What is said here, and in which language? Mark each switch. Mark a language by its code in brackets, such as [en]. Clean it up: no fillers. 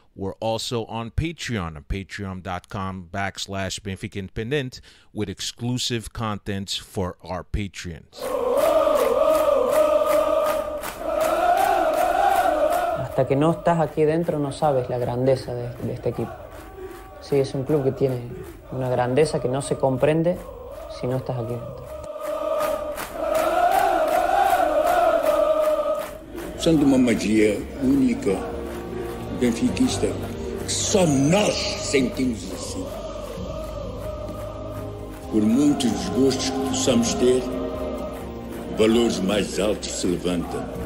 [en] We're also on Patreon, patreon.com/BenficaIndependent, with exclusive contents for our patrons. [es] Hasta que no estás aquí dentro no sabes la grandeza de este equipo. Sí, es un club que tiene una grandeza que no se comprende si no estás aquí dentro. [pt] Sendo uma magia única, benfiquista, que só nós sentimos assim. Por muitos desgostos que possamos ter, valores mais altos se levantam.